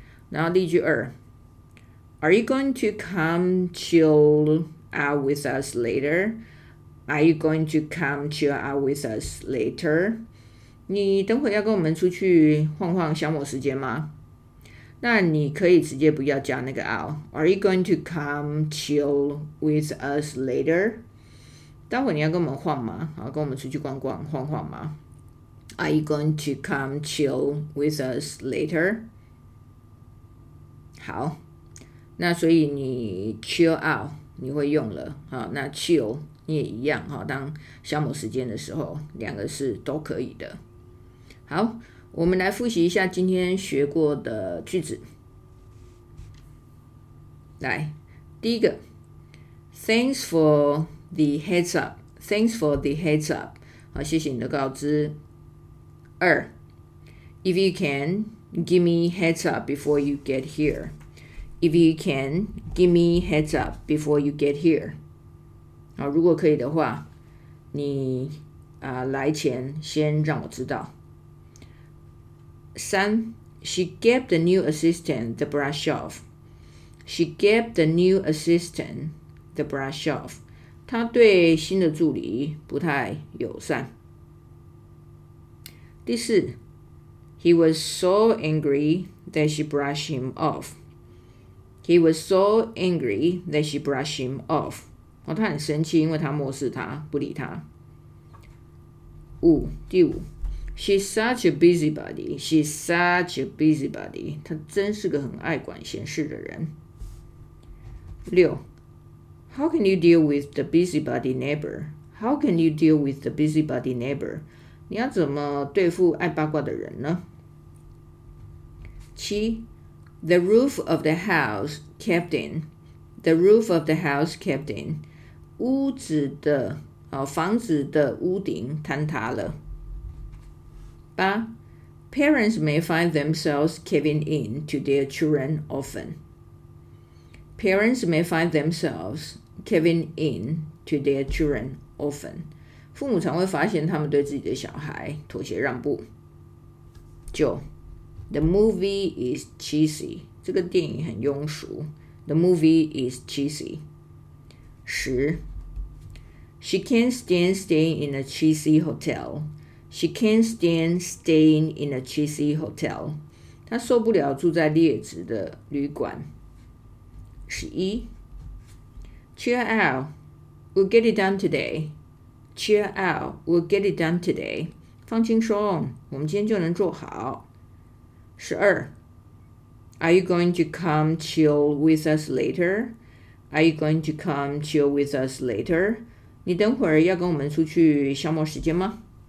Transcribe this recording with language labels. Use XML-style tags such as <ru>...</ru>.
<zh>然后例句二</zh> <en>，Are you going to come chill out with us later? Are you going to come chill out with us later?</en> <zh>你等会要跟我们出去晃晃消磨时间吗？那你可以直接不要加那个 out。</zh> <en>Are you going to come chill with us later?</en> <zh>待会你要跟我们晃吗？好，跟我们出去逛逛晃晃吗 ？</zh> <en>Are you going to come chill with us later?</en> <zh>好，那所以你 chill out 你会用了，那 chill 你也一样，当消磨时间的时候两个是都可以的。好，我们来复习一下今天学过的句子。来，第一个</zh> <en>Thanks for the heads up， Thanks for the heads up，</en> <zh>好，谢谢你的告知。</zh> <en>二 If you can give me heads up before you get hereIf you can, give me heads up before you get here.</en> <zh>好，如果可以的话，你来前先让我知道。</zh> <en>三 ，She gave the new assistant the brush off. She gave the new assistant the brush off.</en> <zh>她对新的助理不太友善。</zh> <en>第四 ，He was so angry that she brushed him off. He was so angry that she brushed him off.</en> <zh>哦，他很生气，因为他漠视他，不理他。五，第五</zh> <en>，She's such a busybody. She's such a busybody.</en> <zh>她真是个很爱管闲事的人。</zh> <en>六 ，How can you deal with the busybody neighbor? How can you deal with the busybody neighbor?</en> <zh>你要怎么对付爱八卦的人呢？</zh> <en>七。The roof of the house caved in. The roof of the house caved in.</en> <zh>屋子的，房子的屋顶坍塌了。</zh> <en>八 ，Parents may find themselves caving in to their children often. Parents may find themselves caving in to their children often.</en> <zh>父母常会发现他们对自己的小孩妥协让步。九。</zh> <en>The movie is cheesy.</en> <zh>这个电影很庸俗。</zh> <en>The movie is cheesy. 十 She can't stand staying in a cheesy hotel. She can't stand staying in a cheesy hotel.</en> <zh>她受不了住在劣质的旅馆。</zh> <en>11. Cheer out. We'll get it done today. Cheer out. We'll get it done today.</en> <zh>放轻松，我们今天就能做好。 12.</zh> <en>Are you going to come chill with us later? Are you going to come chill with us later?</en> <zh>你等会儿要跟我们出去消磨时间吗？</zh>